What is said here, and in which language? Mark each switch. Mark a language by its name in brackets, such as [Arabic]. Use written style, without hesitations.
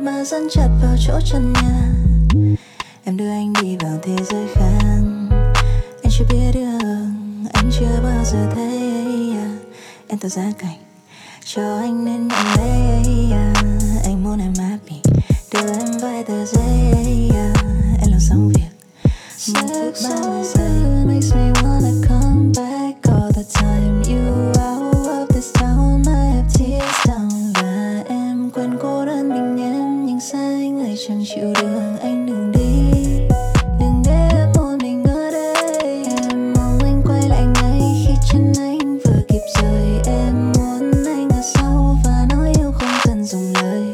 [Vietnamese] Dẫn chặt vào chỗ chân nhà, em đưa anh đi vào thế giới khác. Anh chưa biết đường, anh chưa bao giờ thấy. Em tạo ra cảnh cho anh nên nhận lấy. Anh muốn em happy, đưa em vài tờ giấy. Em làm xong việc, một phút 30 giây. [English] Makes me wanna come back all the time. You out of this town, I have tears down. [Vietnamese] Và em quên cô đơn mình em. Xa anh lại chẳng chịu được. Anh đừng đi, đừng để một mình ở đây. Em mong anh quay lại ngay khi chân anh vừa kịp rời. Em muốn anh ở sau và nói yêu không cần dùng lời.